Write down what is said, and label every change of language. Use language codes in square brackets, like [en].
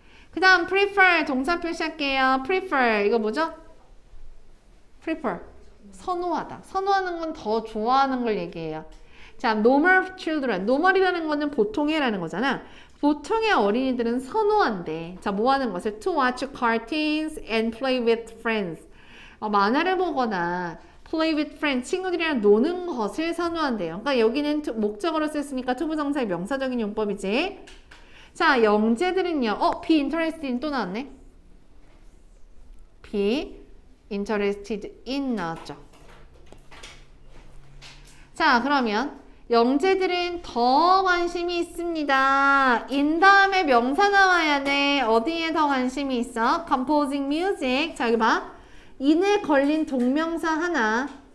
[ko] 그 다음 prefer 동사 표시할게요. prefer 이거 뭐죠? prefer 선호하다. 선호하는 건더 좋아하는 걸 얘기해요. [en] 자, normal children. [ko] normal이라는 거는 보통이라는 거잖아. 보통의 어린이들은 선호한대. 자, 뭐 하는 것을? [en] To watch cartoons and play with friends. [ko] 만화를 보거나 [en] play with friends, [ko] 친구들이랑 노는 것을 선호한대요. 그러니까 여기는 목적어로 쓰였으니까 to 부정사의 명사적인 용법이지. 자, 영재들은요. [en] be interested in 또 나왔네. be interested in 나왔죠. [ko] 자, 그러면 영재들은 더 관심이 있습니다. in 다음에 명사 나와야 돼. 어디에 더 관심이 있어? [en] composing music. [ko] 자, 여기 봐. in에 걸린 동명사 하나.